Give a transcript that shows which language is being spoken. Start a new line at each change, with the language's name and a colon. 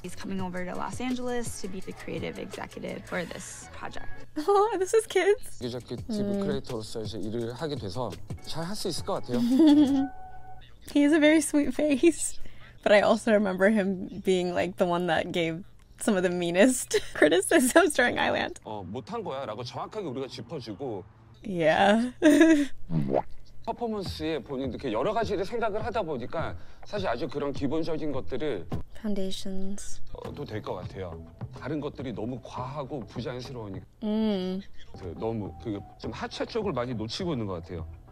English: He's coming over to Los Angeles to be the creative executive for this project. Oh, this is kids.
Korean: 이제 크리에이터로서 이제 일을 하게 돼서 잘 할 수 있을 것 같아요.
English: He has a very sweet face, but I also remember him being like the one that gave some of the meanest criticisms during Island.
Korean: 못한 거야 라고 정확하게 우리가 짚어주고.
English: Yeah.
Korean: 퍼포먼스에 본인도 여러 가지를 생각을 하다 보니까 사실 아주 그런 기본적인 것들을
English: Foundations.
Korean: 또 될 것 같아요. 다른 것들이 너무 과하고 부자연스러우니까. 너무 그 좀 하체 쪽을 많이 놓치고 있는 것 같아요.